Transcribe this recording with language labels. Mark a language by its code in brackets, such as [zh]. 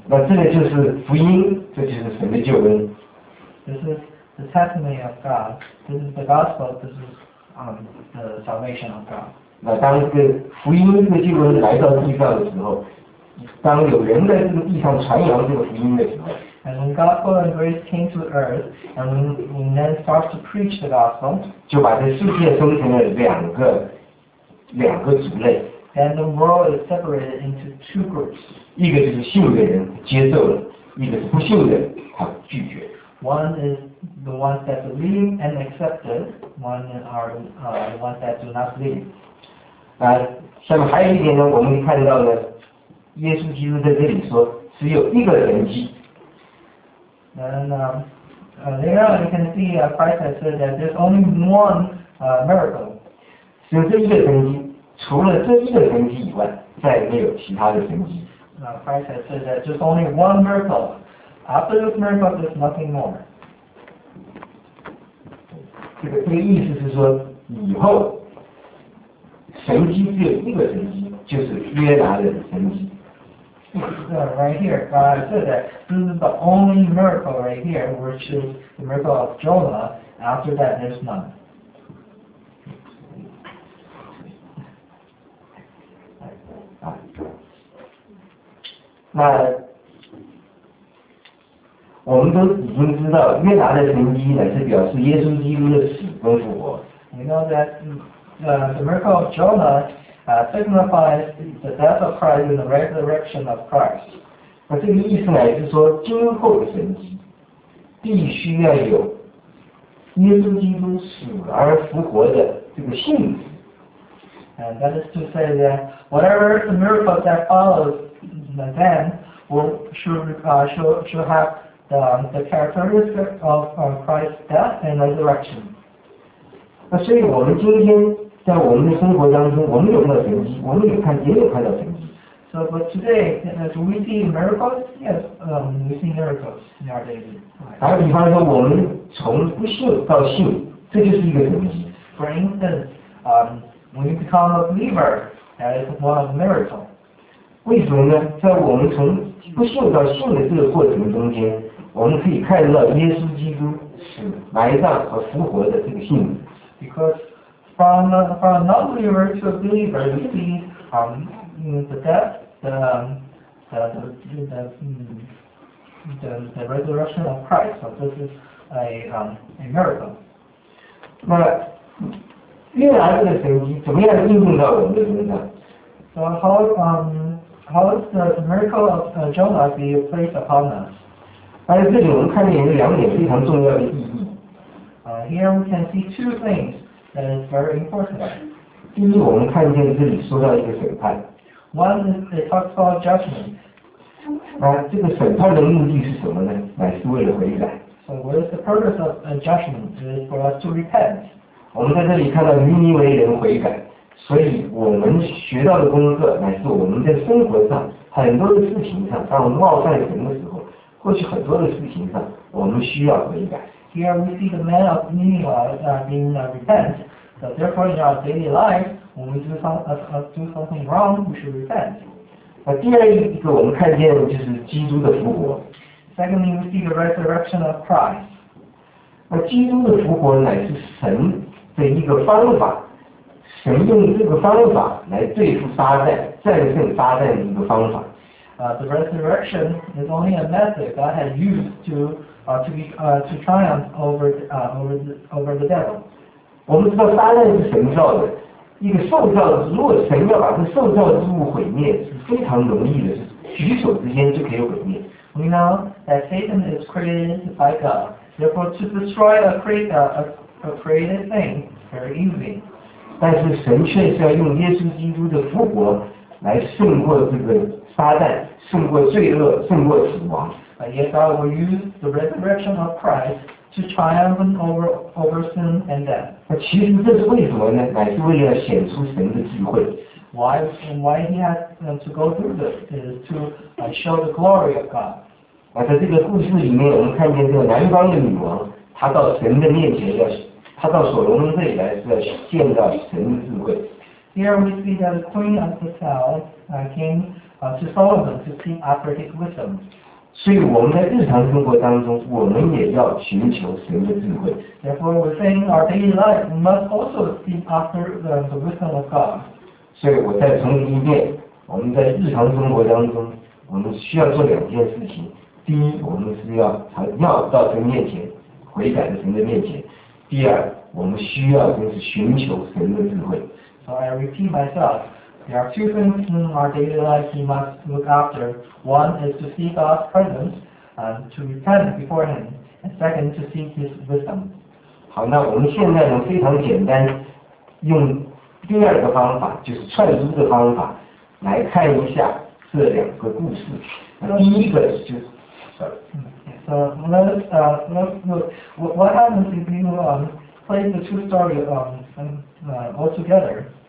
[zh] 那这个就是福音，这就是神的救恩。 [en] This is the testimony of God. This is the gospel. This is the salvation of God. [zh] 那当这个福音这个救恩来到地上的时候，当有人在这个地上传扬这个福音的时候 [en] ，And when gospel and grace came to earth, and we then start to preach the gospel, [zh] 就把这世界分成了两个族类 [en] ，And the world is separated into two groups. [zh] 一个就是信的人接受了，一个是不信的他拒绝。 [en] One is the ones that believe and accept it. One are the ones that do not believe. [zh] 那下面还有一点呢，我们看到呢，耶稣基督在这里说，只有一个神迹。 [en] And later on, you can see Christ has said that there's only one miracle. [zh] 只有这一个神迹，除了这一个神迹以外，再也没有其他的神迹。 [en] Christ has said that there's only one miracle. After this miracle, there's nothing more. [zh] 这个意思是说，以后神迹只有一个神迹，就是约拿的神迹。 [en] Right here, God said that this is the only miracle right here, which is the miracle of Jonah. After that, there's none. [zh] 那我们都已经知道约拿的神迹乃是表示耶稣基督的死跟复活。 [en] You know that the miracle of Jonah signifies the death of Christ and the resurrection of Christ. [zh] 那这个意思乃是说，今后的神迹必须要有耶稣基督死而复活的这个信息。 [en] And that is to say that whatever the miracle that follows then should haveThe characteristic of Christ's death and resurrection. [zh] 那所以我们今天在我们的生活当中，我们有没有神迹？我们有看，也有看到神迹。 [en] So, but today, as we see miracles, yes, we see miracles in our daily life. [zh] 打个比方说，我们从不信到信，这就是一个什么？ [en] For instance, when you become a believer, that is one of miracles. [zh] 为什么呢？在我们从不信到信的这个过程中间，我们可以看到耶稣基督是埋葬和复活的这个信仰。 [en] Because from a non-believer to a believer, we see the death, the resurrection of Christ. So this is a miracle. [zh] 那预言这个神迹怎么样应用到我们的身上？ [en] So how is the miracle of Jonah be placed upon us? [zh] 但是这里我们看见有两点非常重要的意义。 [en] Here we can see two things that is very important. [zh] 第一，我们看见这里说到一个审判。 [en] One is it talks about judgment. [zh] 那这个审判的目的是什么呢？乃是为了悔改。 [en] So what is the purpose of a judgment? It is for us to repent. [zh] 我们在这里看到尼尼微人悔改。所以我们学到的功课乃是我们在生活上很多的事情上，当我们冒犯人的时候，过去很多的事情上我们需要悔改。 [en] Here we see the man of Nineveh being repent. So therefore in our daily life, when we do something wrong, we should repent. [zh] 那第二一个我们看见就是基督的复活。 [en] Secondly, we see the resurrection of Christ. [zh] 那基督的复活乃是神的一个方法，神用这个方法来对付撒旦，战胜撒旦的一个方法。 [en] The resurrection is only a method God had used to triumph over the devil. [zh] 我们知道撒旦是神造的，一个受造之物，如果神要把这受造之物毁灭，是非常容易的，举手之间就可以毁灭。 [en] We know that Satan is created by God, therefore to destroy a created thing very easily. [zh] 但是神却是要用耶稣基督的复活来胜过这个撒旦，胜过罪恶，胜过死亡。 [en] But yet God will use the resurrection of Christ to triumph over sin and death. [zh] 其实这是为什么呢？乃是为了显出神的智慧。 [en] Why he has to go through this is to show the glory of God. [zh] 在这个故事里面，我们看见这个南方的女王，她到神的面前要。他到所罗门这里来是要见到神的智慧。 [en] Here we see that the queen of the south came to Solomon to seek after his wisdom. [zh] 所以我们在日常生活当中，我们也要寻求神的智慧。 [en] Therefore, within our daily life, we must also seek after the wisdom of God. [zh] 所以我再重复一遍，我们在日常生活当中，我们需要做两件事情。第一，我们是要到神面前悔改的神的面前。第二，我们需要就是寻求神的智慧。 [en] So I repeat myself, there are two things in our daily life we must look after. One is to seek God's presence, to repent before Him, and second to seek His wisdom. [zh] 好，那我们现在呢非常简单，用第二个方法，就是串珠的方法，来看一下这两个故事。第一个就是。 [en] Let's look. What happens if you play the two stories all together?